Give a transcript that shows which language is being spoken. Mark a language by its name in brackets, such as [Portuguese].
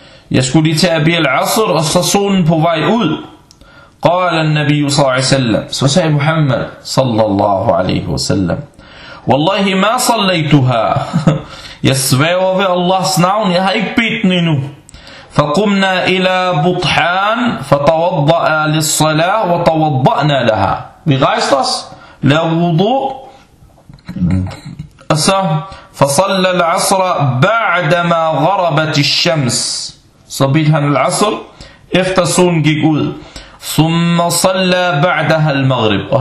[Danish] Jeg skulle lige tage bi al-asr, og så solen på vej ud. [Arabic] Qala an-nabiy sallallahu alaihi wasallam, [Danish] så sagde Muhammad sallallahu alaihi wasallam, [Arabic] wallahi ma sallaytuha. [Danish] Jeg sværger ved Allahs navn, jeg har ikke bedt den endnu. [Arabic] فقمنا إلى بطحان فتوضأ للصلاة وتوضأنا لها. [Danish] Vi rejste os, lavede wudu, og så [Arabic] فصلى العصر بعدما غربت الشمس. [Danish] Så bed han العصر, efter solen gik ud. [Arabic] ثم صلى بعدها المغرب.